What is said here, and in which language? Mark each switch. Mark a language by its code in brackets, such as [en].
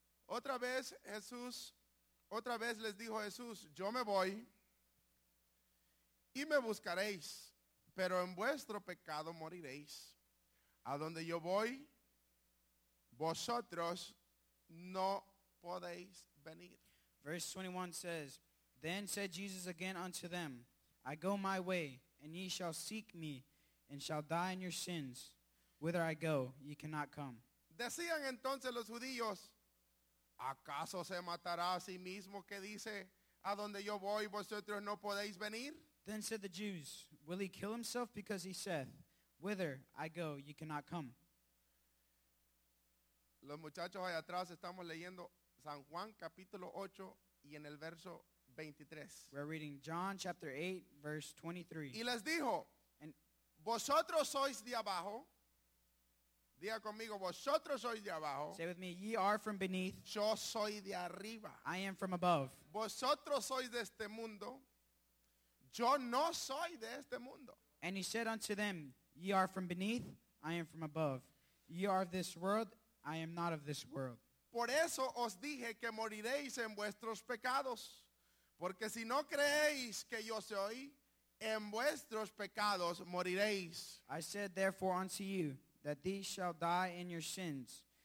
[es] Otra vez les dijo Jesús, yo me voy y me buscaréis, pero en vuestro pecado moriréis. A donde yo voy, vosotros no podéis venir. [en] Verse 21 says, then said Jesus again unto them, I go my way, and ye shall seek me, and shall die in your sins. Whither I go, ye cannot come. [es] Decían entonces los judíos, ¿acaso se matará a sí mismo que dice, a donde yo voy, vosotros no podéis venir? [en] Then said the Jews, will he kill himself because he saith, whither I go, ye cannot come. [es] Los muchachos allá atrás estamos leyendo San Juan capítulo 8 y en el verso 23. [en] We're reading John chapter 8, verse 23. [es] Y les dijo, vosotros sois de abajo. Diga conmigo, vosotros sois de abajo. [en] Say with me, ye are from beneath. [es] Yo soy de arriba. [en] I am from above. [es] Vosotros sois de este mundo. Yo no soy de este mundo. [en] And he said unto them, ye are from beneath, I am from above. Ye are of this world, I am not of this world. [es] Por eso os dije que moriréis en vuestros pecados. Porque si no creéis que yo soy, en vuestros pecados moriréis. [en] I said therefore unto you, that these shall die in your sins.